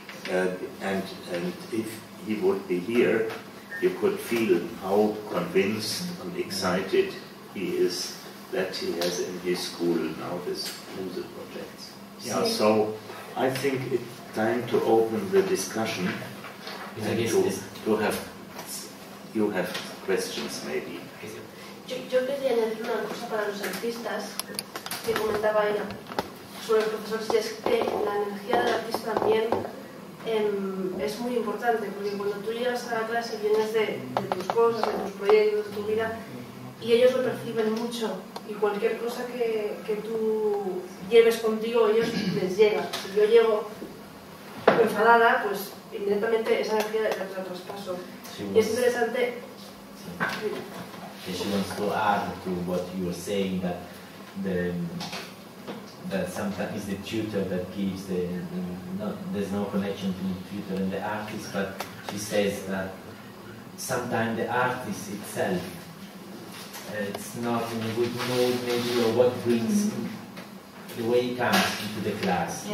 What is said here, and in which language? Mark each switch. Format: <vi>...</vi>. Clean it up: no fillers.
<en>And if he would be here, you could feel how convinced and excited he is that he has in his school now this music project. Yeah, so I think it's time to open the discussion and to have, you have questions maybe.</en> <es>Yo quería añadir una cosa para los artistas que comentaba ella sobre el profesor, si es que la energía del artista también es muy importante, porque cuando tú llegas a la clase vienes de tus cosas, de tus proyectos, de tu vida, y ellos lo perciben mucho. Y cualquier cosa que tú lleves contigo, ellos les llega. Si yo llego enfadada, pues inmediatamente esa energía la traspaso. Y es interesante.</es> <en>Que she wants to add to what you were saying, that that sometimes it's the tutor that gives there's no connection to the tutor and the artist, but she says that sometimes the artist itself it's not in a good mood, maybe, or what brings the way he comes into the class.</en>